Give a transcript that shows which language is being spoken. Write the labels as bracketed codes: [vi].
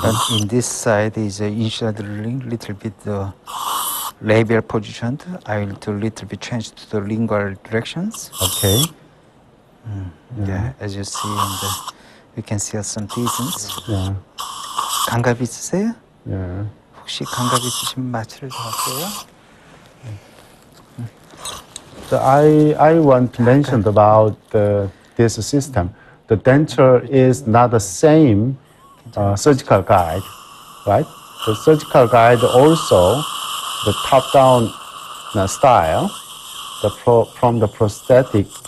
[en] And in this side is initial drilling, little bit labial position. I need to little bit change to the lingual directions. Okay. Yeah, as you see, and we can see some lesions. Yeah. [ko] 감각 있으세요? [en] Yeah. [ko] 혹시 감각 있으시면 마취를 좀 하세요? [en] So I want to mention about this system. The denture is not the same surgical guide, right? The surgical guide also the top-down style the from the prosthetic.